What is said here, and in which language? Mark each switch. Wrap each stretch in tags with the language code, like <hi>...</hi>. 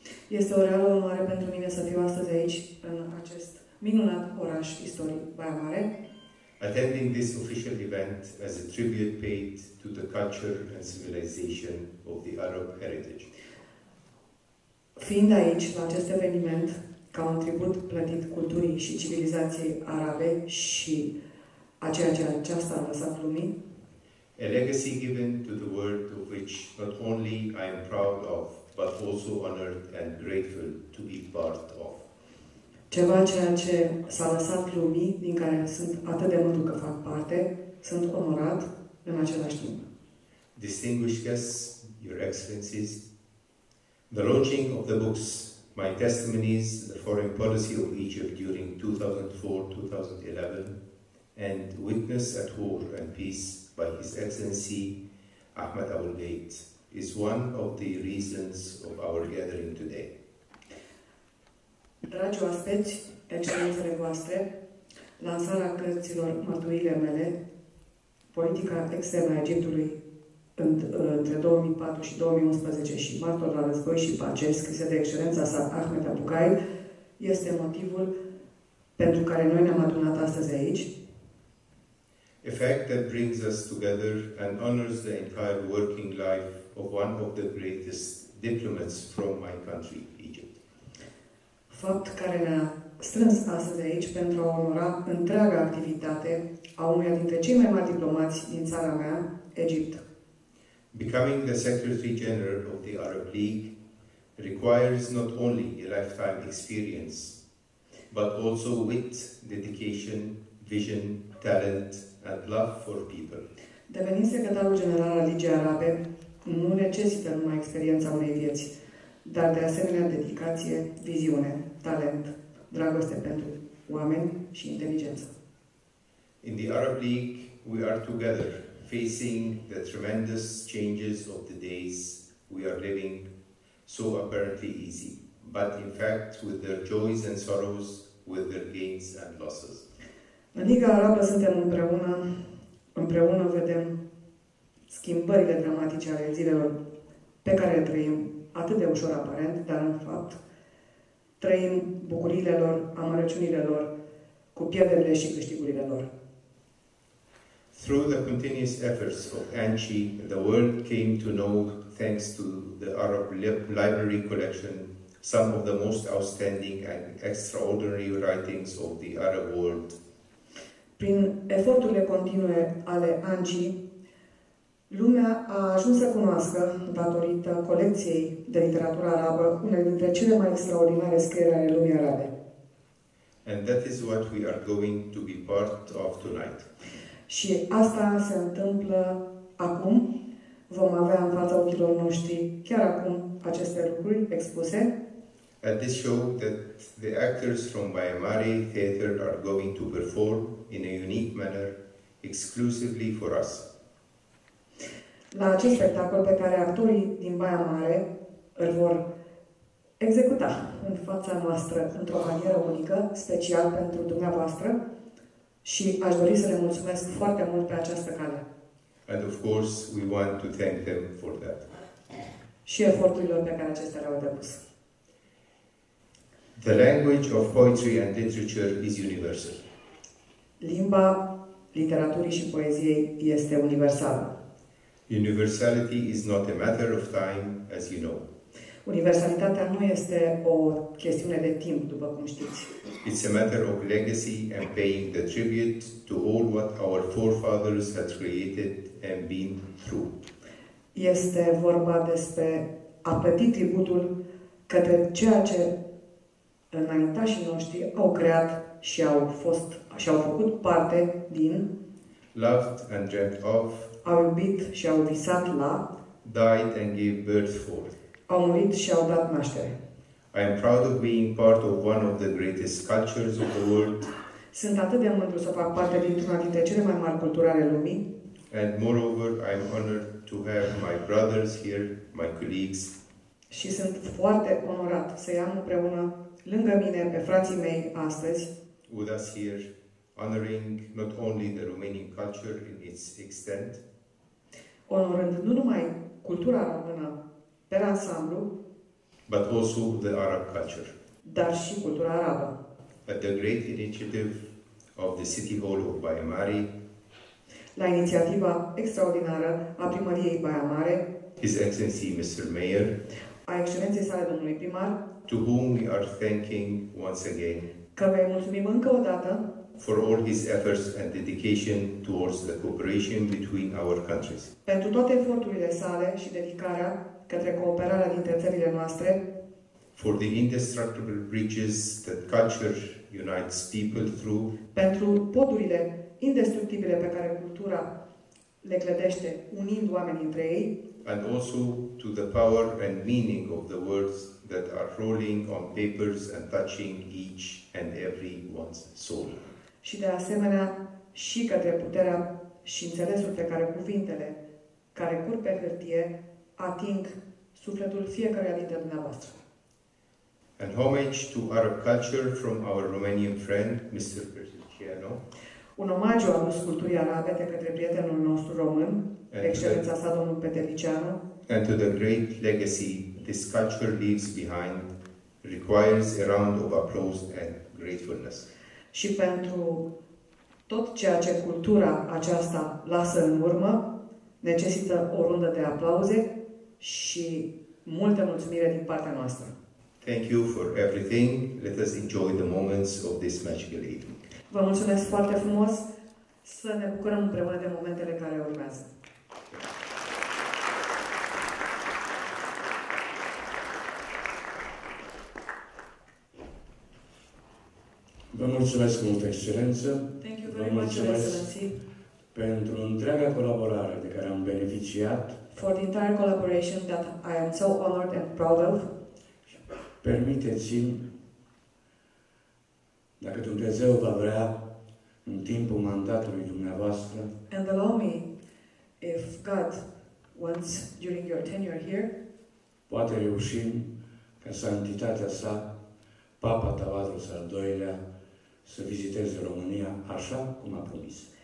<ro>Este o reală onoare pentru mine să fiu astăzi aici, în acest minunat oraș istoric, Baia Mare.</ro> <en>Attending this official event as a tribute paid to the culture and civilization of the Arab heritage.</en> <ro>Fiind aici, la acest eveniment, ca un tribut plătit culturii și civilizației arabe și a ceea ce aceasta a lăsat lumii,</ro> <en>a legacy given to the world of which not only I am proud of, but also honored and grateful to be part of.</en> <ro>Ceva ceea ce s-a lăsat lumii, din care sunt atât de mândru că fac parte, sunt onorat în același timp.</ro> <en>Distinguished guests, Your Excellencies, the launching of the books, My Testimonies, the Foreign Policy of Egypt during 2004-2011, and Witness at War and Peace, by His Excellency Ahmed Abul Bait, is one of the reasons of our gathering today.</en> <ro>Dragi oaspeți, excelențele voastre, lansarea cărților Mărturiile mele, politica externă a Egiptului între 2004 și 2011 și Martor la război și pace, scrisă de excelența sa Ahmed Abul Bait, este motivul pentru care noi ne-am adunat astăzi aici.</ro> <en>A fact that brings us together and honors the entire working life of one of the greatest diplomats from my country, Egypt.</en> <ro>Fapt care ne-a strâns astăzi aici pentru a onora întreaga activitate a unuia dintre cei mai mari diplomați din țara mea, Egipt.</ro> <en>Becoming the Secretary General of the Arab League requires not only a lifetime experience, but also wit, dedication, vision, talent, and love for people.</en> <ro>Devenind secretarul general al Ligii Arabe, nu necesită numai experiența unei vieți, dar de asemenea dedicație, viziune, talent, dragoste pentru oameni și inteligență.</ro> <en>In the Arab League, we are together facing the tremendous changes of the days we are living, so apparently easy, but in fact with their joys and sorrows, with their gains and losses.</en> <ro>În Liga Arabă suntem împreună vedem schimbările dramatice ale zilelor pe care le trăim, atât de ușor aparent, dar în fapt trăim bucuriile lor, amărăciunile lor, cu pierderile și câștigurile lor.</ro> <en>Through the continuous efforts of ANCI, the world came to know, thanks to the Arab Library Collection, some of the most outstanding and extraordinary writings of the Arab world.</en> <ro>Prin eforturile continue ale ANCI, lumea a ajuns să cunoască, datorită colecției de literatură arabă, una dintre cele mai extraordinare scrieri ale lumii arabe.</ro> <en>And that is what we are going to be part of tonight.</en> <ro>Și asta se întâmplă acum. Vom avea în fața ochilor noștri, chiar acum, aceste lucruri expuse.</ro> <en>at this show that the actors from Bayamare Theatre are going to perform in a unique manner, exclusively for us.</en> <ro>La acest spectacol pe care actorii din Baia Mare îl vor executa în fața noastră într-o manieră unică, special pentru dumneavoastră, și aș dori să le mulțumesc foarte mult pe această cale.</ro> <en>And of course, we want to thank them for that.</en> <ro>Și eforturile pe care acestea le-au depus.</ro> <en>The language of poetry and literature is universal.</en> <ro>Limba literaturii și poeziei este universală.</ro> <en>Universality is not a matter of time, as you know.</en> <ro>Universalitatea nu este o chestiune de timp, după cum știți.</ro> <en>It's a matter of legacy and paying the tribute to all what our forefathers had created and been through.</en> <ro>Este vorba despre a plăti tributul către ceea ce înaintașii noștri au creat și au fost și au făcut parte din.</ro> <en>Loved and dreamt of.</en> <ro>Au iubit și au visat la.</ro> <en>Died and gave birth for.</en> <ro>Au murit și au dat naștere.</ro> <en>I am proud of being part of one of the greatest cultures of the world.</en> <ro>Sunt atât de mândru să fac parte dintr-una dintre cele mai mari culturi ale lumii.</ro> <en>And moreover, I am honored to have my brothers here, my colleagues.</en> <ro>Și sunt foarte onorat să-i am împreună lângă mine pe frații mei astăzi.</ro> <en>With us here, honoring not only the Romanian culture in its extent,</en> <ro>onorând nu numai cultura română per ansamblu,</ro> <en>but also the Arab culture,</en> <ro>dar și cultura arabă.</ro> <en>At the great initiative of the City Hall of Baia Mare,</en> <ro>la inițiativa extraordinară a primăriei Baia Mare,</ro> <en>His Excellency Mr. Mayor,</en> <ro>a excelenței sale domnului primar,</ro> <en>to whom we are thanking once again,</en> <ro>că vei mulțumim încă o dată,</ro> <en>for all his efforts and dedication towards the cooperation between our countries.</en> <ro>Pentru toate eforturile sale și dedicarea către cooperarea dintre țările noastre.</ro> <en>For the indestructible bridges that culture unites people through.</en> <ro>Pentru podurile indestructibile pe care cultura le clădește unind oamenii între ei.</ro> <en>And also to the power and meaning of the words that are rolling on papers and touching each and every one's soul.</en> <ro>Și de asemenea și către puterea și înțelesul pe care cuvintele care curg pe hârtie ating sufletul fiecăruia dintre dumneavoastră.</ro> <en>An homage to Arab culture from our Romanian friend, Mr. Persiciano.</en> <ro>Un omagiu adus culturii arabe de către prietenul nostru român, excelența sa, domnul Petericianu.</ro> <en>And to the great legacy this culture leaves behind requires a round of applause and gratefulness.</en> <ro>Și pentru tot ceea ce cultura aceasta lasă în urmă, necesită o rundă de aplauze și multă mulțumire din partea noastră.</ro> <en>Thank you for everything. Let us enjoy the moments of this magical evening.</en> <ro>Vă mulțumesc foarte frumos. Să ne bucurăm împreună de momentele care urmează. Vă mulțumesc mult, Excelență.</ro> <en>Thank you very much, Excellency.</en> <ro>Pentru întreaga colaborare de care am beneficiat.</ro> <en>For the entire collaboration that I am so honored and proud of.</en> <ro>Permiteți-mi, dacă Dumnezeu va vrea, în timpul mandatului dumneavoastră.</ro> <en>And allow me, if God wants during your tenure here.</en> <ro>Poate reușim ca Santitatea sa, Papa Tavadros al II-lea, să viziteze România așa cum a promis.</ro>